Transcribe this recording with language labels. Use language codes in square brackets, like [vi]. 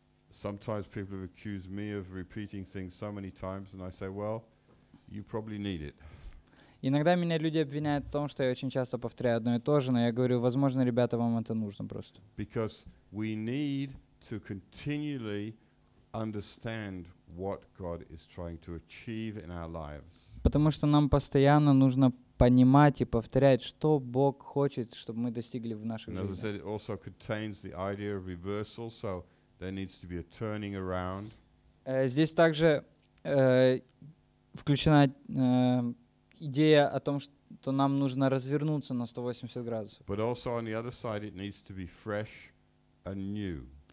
[en] Sometimes people have accused me of repeating things so many times, and I say, well, you probably need it. [ru] Иногда меня люди обвиняют в том, что я очень часто повторяю одно и то же, но я говорю, возможно, ребята, вам это нужно просто. [en] Because we need to continually understand what God is trying to achieve in our lives. [ru] Потому что нам постоянно нужно понимать и повторять, что Бог хочет, чтобы мы достигли в нашей жизни. [en] As I said, it also contains the idea of reversal, so there needs to be a turning around. [ru] Здесь также включена идея о том, что то нам нужно развернуться на 180 градусов. [en] But also on the other side it needs to be fresh and new.